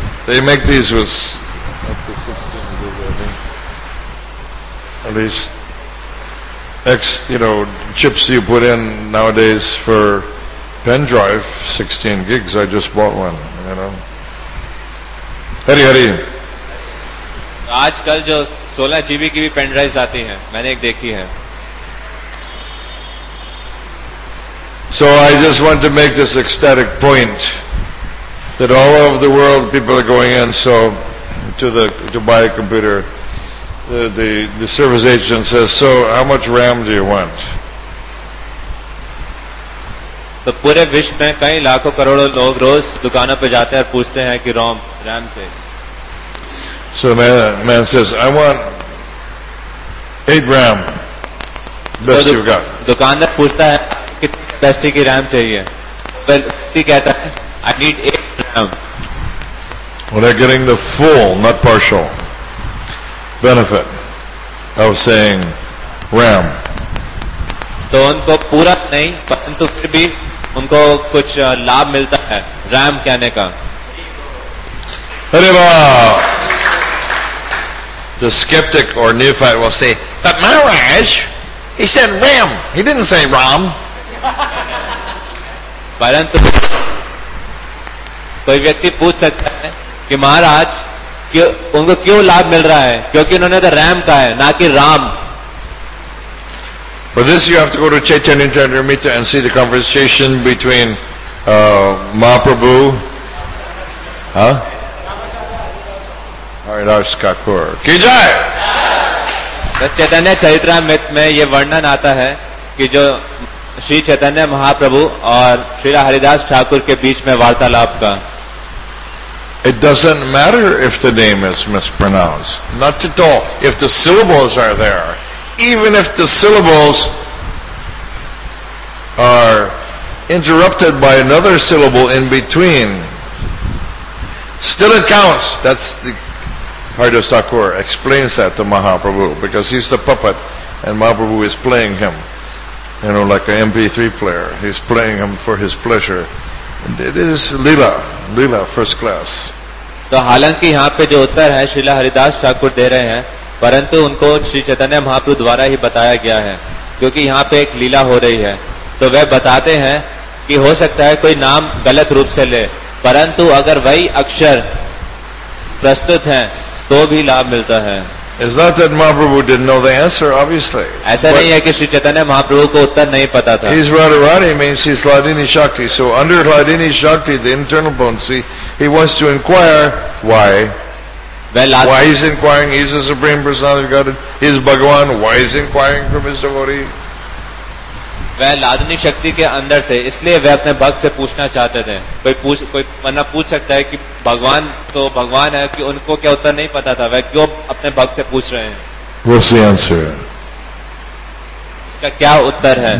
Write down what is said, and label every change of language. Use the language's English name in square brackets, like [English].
[English] They make these with up to 16 gigs, I think. At least X, you know, chips you put in nowadays for pen drive, 16 gigs. I just bought one, you know. Hari Hari. [Hindi] आज कल जो 16 GB की भी pen drive आती हैं, मैंने एक देखी है. [English] So I just want to make this ecstatic point. That all over the world people are going in so to buy a computer. The service agent says, so how much RAM do you want? [Hindi] तो पूरे विश्व में कई लाखों करोड़ों लोग रोज दुकानों पर जाते हैं और पूछते हैं कि RAM पे. [English] So man says, I want 8 RAM. Best you've got. [Hindi] दुकानदार पूछता है कितनी कैपेसिटी की RAM चाहिए. व्यक्ति कहता है [English] I need 8 RAM. Well, they're getting the full, not partial, benefit of saying RAM. [Hindi] तो उनको पूरा नहीं परंतु फिर भी उनको कुछ लाभ मिलता है RAM कहने का. अरे वाह. [English] The skeptic or neophyte will say, but Maharaj, he said RAM. He didn't say ROM. [Hindi] परंतु कोई व्यक्ति पूछ सकता है कि महाराज उनको क्यों लाभ मिल रहा है, क्योंकि उन्होंने तो रैम का है ना कि Ram. [English] For this you have to go to Chaitanya Charitamrita and see the conversation between Mahaprabhu, Haridas Thakur. Ki jai. [Hindi] तो चैतन्य चरितामृत में ये वर्णन आता है कि जो श्री चैतन्य महाप्रभु और श्री हरिदास ठाकुर के बीच में वार्तालाप का. [English] It doesn't matter if the name is mispronounced. Not at all. If the syllables are there, even if the syllables are interrupted by another syllable in between, still it counts. That's the Haridas Thakur explains that to Mahaprabhu, because he's the puppet and Mahaprabhu is playing him. You know, like an MP3 player. He's playing him for his pleasure. And it is Leela. Leela, first class. [Hindi] तो हालांकि यहाँ पे जो उत्तर है श्रीला हरिदास ठाकुर दे रहे हैं, परंतु उनको श्री चैतन्य महाप्रभु द्वारा ही बताया गया है, क्योंकि यहाँ पे एक लीला हो रही है। तो वह बताते हैं कि हो सकता है कोई नाम गलत रूप से ले, परंतु अगर वही अक्षर प्रस्तुत हैं तो भी लाभ मिलता है। [English] It's not that Mahaprabhu didn't know the answer, obviously. [Hindi] ऐसा नहीं है कि श्री चैतन्य महाप्रभु को उत्तर नहीं पता था। [English] His Radharani means his Ladini Shakti. So under Ladini Shakti, the internal potency, he wants to inquire why. Why he's inquiring? He's the Supreme Personality of Godhead. He's Bhagwan. Why is inquiring from his devotee? [Hindi] वह लादनी शक्ति के अंदर थे, इसलिए वह अपने भक्त से पूछना चाहते थे। कोई मना पूछ सकता है कि भगवान तो भगवान है, कि उनको क्या उत्तर नहीं पता था, वह क्यों अपने भक्त से पूछ रहे हैं? [English] What's the answer? [Hindi] इसका क्या उत्तर है?